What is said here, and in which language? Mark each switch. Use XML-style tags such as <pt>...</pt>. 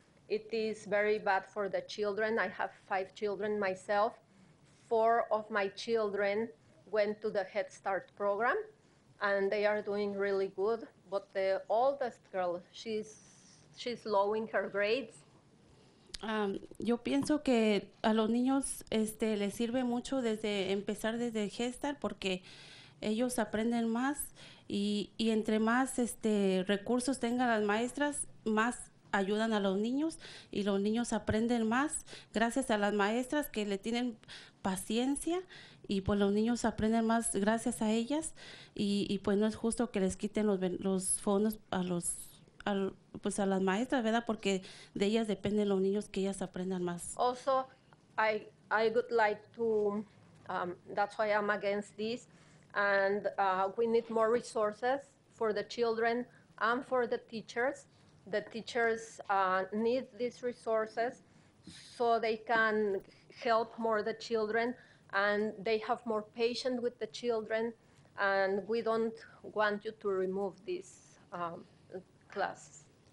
<en>It is very bad for the children. I have 5 children myself. 4 of my children went to the Head Start program, and they are doing really good. But the oldest girl, she's lowering her grades.</en> <es>Yo pienso que a los niños les sirve mucho desde empezar desde Gestar porque ellos aprenden más y entre más recursos tengan las maestras, más ayudan a los niños y los niños aprenden más gracias a las maestras que le tienen paciencia y pues los niños aprenden más gracias a ellas y pues no es justo que les quiten los fondos a las maestras, ¿verdad? Porque de ellas dependen los niños que ellas aprendan más.</es> <en>Also, I would like to, that's why I'm against this, and we need more resources for the children and for the teachers. The teachers need these resources so they can help more the children and they have more patience with the children, and we don't want you to remove this class.</en>